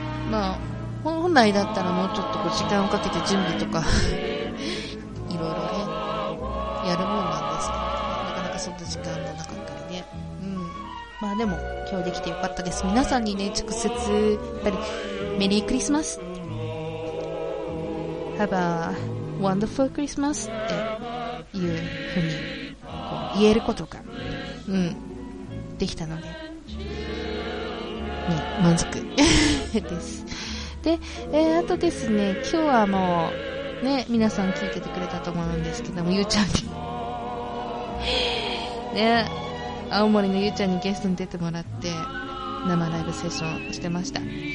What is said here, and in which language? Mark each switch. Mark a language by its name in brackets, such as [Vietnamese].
[Japanese] まあ、本来だったらもうちょっとこう時間をかけて準備とか、いろいろね、やるもんなんですけど、なかなかそんな時間がなかったりね。うん。まあでも、今日できてよかったです。皆さんにね、直接、やっぱり、メリークリスマス。 [English] Have a wonderful Christmas [Japanese] っていうふうに。言えることが、うん、できたので、ね、満足です。で、あとですね、今日はもう、ね、皆さん聞いててくれたと思うんですけども、ゆうちゃんに、ね、青森のゆうちゃんにゲストに出てもらって、生ライブセッションしてました。うん。